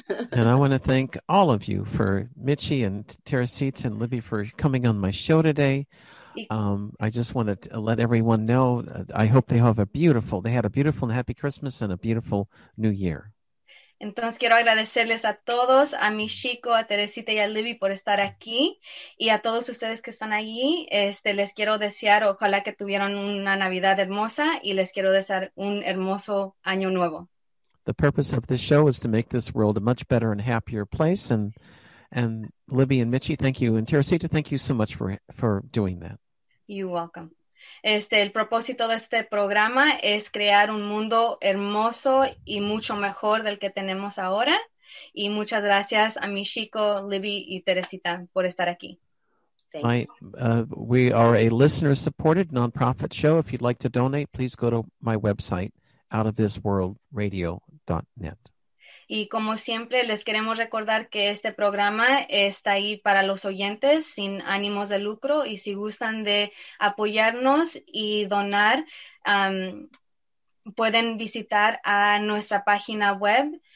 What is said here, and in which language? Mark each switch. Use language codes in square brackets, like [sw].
[en] And I want to thank all of you, for Michi and Teresita and Libby, for coming on my show today. I just want to let everyone know, I hope they have a beautiful, they had a beautiful and happy Christmas and a beautiful new year. [es] Entonces quiero agradecerles a todos, a mi chico, a Teresita y a Libby por estar aquí. Y a todos ustedes que están allí, les quiero desear, ojalá que tuvieran una Navidad hermosa, y les quiero desear un hermoso año nuevo. [en] The purpose of this show is to make this world a much better and happier place. And Libby and Michi, thank you. And Teresita, thank you so much for doing that. You're welcome. [es] El propósito de este programa es crear un mundo hermoso y mucho mejor del que tenemos ahora. Y muchas gracias a mi chico, Libby y Teresita, por estar aquí. [en] Thank you. We are a listener-supported nonprofit show. If you'd like to donate, please go to my website, outofthisworldradio.net. [es] Y como siempre, les queremos recordar que este programa está ahí para los oyentes sin ánimos de lucro, y si gustan de apoyarnos y donar, pueden visitar a nuestra página web.